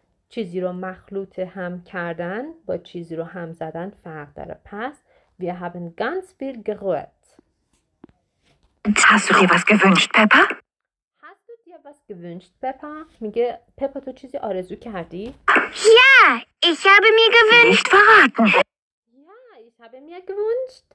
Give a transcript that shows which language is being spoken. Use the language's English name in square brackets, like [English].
[Persian] چیزی رو مخلوط هم کردن با چیزی رو هم زدن فرق داره. [German] پس wir haben ganz viel gerührt. Hast du dir was gewünscht, Peppa? Hast du dir was gewünscht, Peppa? [Persian] میگه Peppa تو چیزی آرزو کردی؟ [German] Ja, ich habe mir gewünscht. Nicht verraten. Ja, ich habe mir gewünscht.